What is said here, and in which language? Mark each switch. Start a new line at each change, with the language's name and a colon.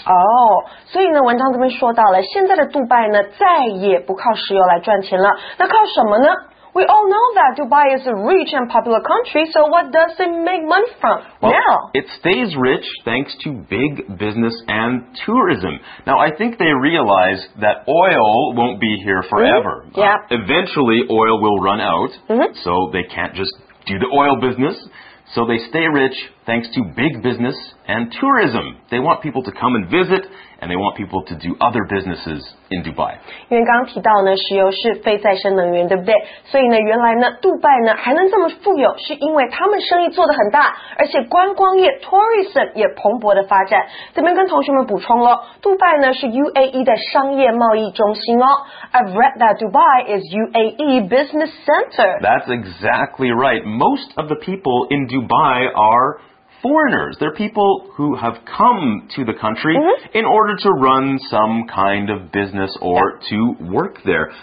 Chinese: Oh, 所以呢，文章这边说到了，现在的杜拜呢，再也不靠石油来赚钱了，那靠什么呢？
English: We all know that Dubai is a rich and popular country, so what does it make money from well, now? It stays rich thanks to big business and tourism. Now, I think they realize that oil won't be here forever.、 Mm-hmm. Yeah. Eventually, oil will run out,、 mm-hmm. so they can't just do the oil business. So they stay rich thanks to big business and tourism. They want people to come and visit. And they want people to do other businesses in Dubai.
Chinese: 因为刚刚提到呢，石油是非再生能源，对不对？所以呢，原来呢，杜拜呢还能这么富有，是因为他们生意做得很大，而且观光业 tourism 也蓬勃的发展。这边跟同学们补充了，杜拜呢是 UAE 的商业贸易中心哦。
English: I've read that Dubai is UAE business center. That's exactly right. Most of the people in Dubai are. Foreigners, they're people who have come to the country、 mm-hmm. in order to run some kind of business or、 yeah. to work there.